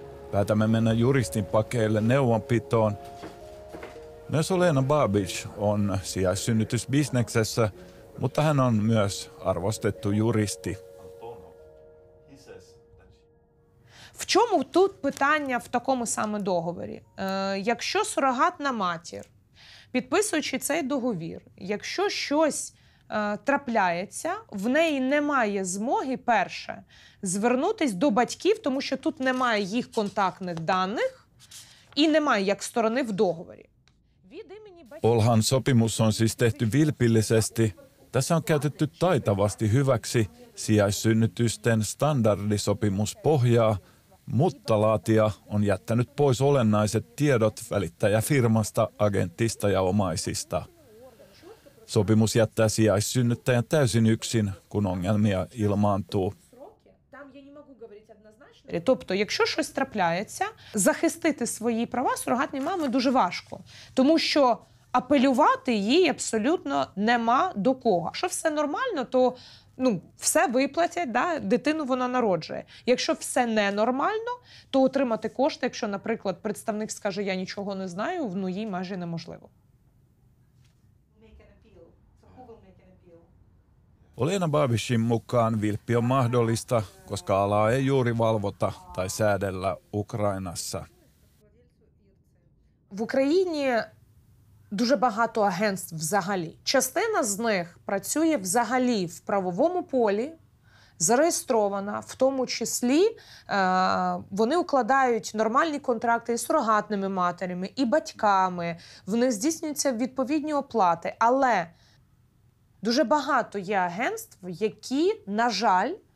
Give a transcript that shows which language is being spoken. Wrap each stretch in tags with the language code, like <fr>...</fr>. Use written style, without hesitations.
<fi>Päätämme mennä juristin pakeille neuvonpitoon. Myös Olena Babic on sijaissynnytysbisneksessä, mutta hän on myös arvostettu juristi.</fi> <uk>В чому тут питання в такому саме договорі? Якщо сурогатна матір, підписуючи цей договір, якщо щось трапляється, в неї немає змоги, перше, звернутися до батьків, тому що тут немає їх контактних даних і немає як сторони в договорі.</uk> <fi>Olhan sopimus on siis tehty vilpillisesti. Tässä on käytetty taitavasti hyväksi sijaissynnytysten standardisopimuspohjaa, mutta laatija on jättänyt pois olennaiset tiedot välittäjäfirmasta, agentista ja omaisista. Sopimus jättää sijaissynnyttäjän täysin yksin, kun ongelmia ilmaantuu.</fi> <uk>Тобто, якщо щось трапляється, захистити свої права сурогатній мамі дуже важко, тому що апелювати їй абсолютно нема до кого. Якщо все нормально, то ну, все виплатять, да? Дитину вона народжує. Якщо все ненормально, то отримати кошти, якщо, наприклад, представник скаже, я нічого не знаю, ну, їй майже неможливо.</uk> <fi>Olena Babicin mukaan vilppi on mahdollista, koska alaa ei juuri valvota tai säädellä Ukrainassa.</fi> <uk>В Україні дуже багато агентств взагалі. Частина з них працює взагалі в правовому полі, зареєстрована, в тому числі вони укладають нормальні контракти із сурогатними матерями, і батьками, в них здійснюються відповідні оплати, але дуже багато є агентств, які, на жаль,</uk>